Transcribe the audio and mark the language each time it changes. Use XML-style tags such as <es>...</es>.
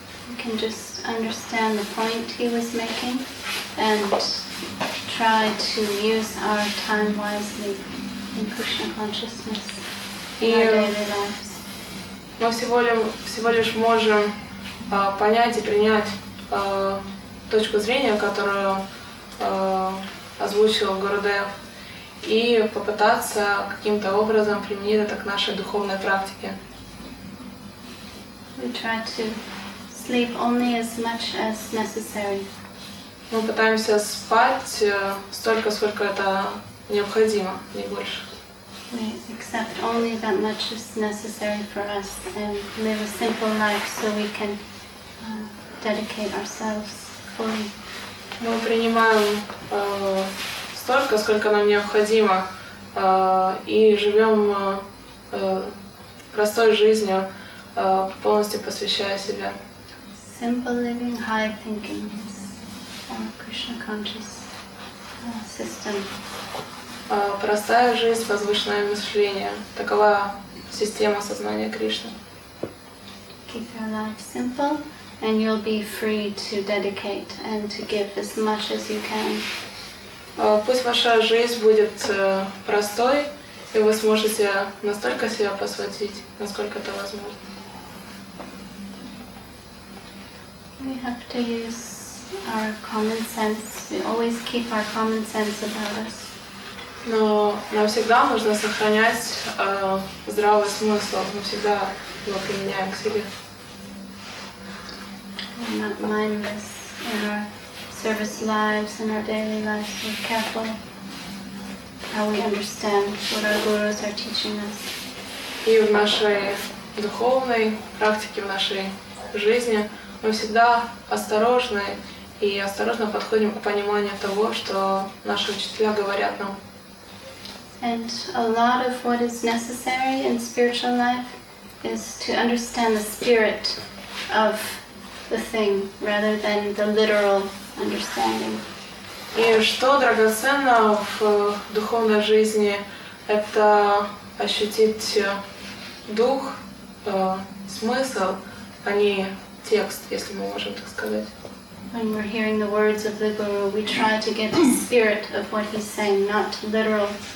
<en>We can just understand the point he was making and try to use our time wisely in Krishna consciousness in our daily lives.</en> <ru>Мы всего лишь можем понять и принять точку зрения, которую озвучил Гурудев, и попытаться каким-то образом применить это к нашей духовной практике.</ru> <en>We try to sleep only as much as necessary.</en> <ru>Мы пытаемся спать столько, сколько это необходимо, не больше.</ru> <en>We accept only that much is necessary for us and live a simple life so we can dedicate ourselves fully.</en> <ru>Мы принимаем столько, сколько нам необходимо, и живем простой жизнью, полностью посвящая себя.</ru> <en>Simple living, high thinking, Krishna conscious system.</en> <ru>Простая жизнь, возвышенное мышление. Такова система сознания Кришны.</ru> <en>Keep your life simple, and you'll be free to dedicate and to give as much as you can.</en> <ru>Пусть ваша жизнь будет простой, и вы сможете настолько себя посвятить, насколько это возможно.</ru> <en>We have to use our common sense. We always keep our common sense about us.</en> <ru>Но нам всегда нужно сохранять здравый смысл. Мы всегда его применяем к себе.</ru> <en>We're not mindless in our service lives, in our daily lives. We're careful how we understand what our gurus are teaching us.</en> <ru>И в нашей духовной практике, в нашей жизни мы всегда осторожны и осторожно подходим к пониманию того, что наши учителя говорят нам.</ru> <en>And a lot of what is necessary in spiritual life is to understand the spirit of the thing rather than the literal understanding.</en> <ru>И что драгоценно в духовной жизни, это ощутить дух, смысл, а не текст, если мы можем так сказать.</ru> <en>When we're hearing the words of the guru, we try to get the spirit of what he's saying, not literal.</en>